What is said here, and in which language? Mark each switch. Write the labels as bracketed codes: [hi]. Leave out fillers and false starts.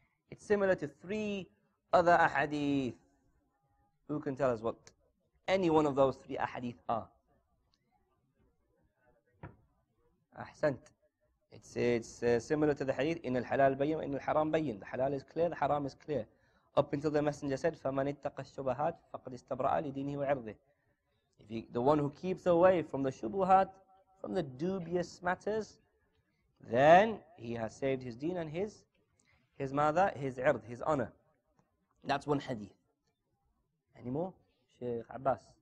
[en] It's similar to three other ahadith. Who can tell us what any one of those three ahadith are? Ahsant. It's similar to the hadith, [ar] in al-halal bayyin, in al-haram bayyin. [en] The halal is clear, the haram is clear. Up until the Messenger said, [ar] فَمَنِ اتَّقَ الشُّبَهَاتِ فَقَدْ اسْتَبْرَعَ لِدِينِهِ وَعِرْضِهِ. [en] If the one who keeps away from the shubuhat, from the dubious matters, then he has saved his deen and his mother, his ird, his honor. That's one hadith. Any more? Sheikh Abbas.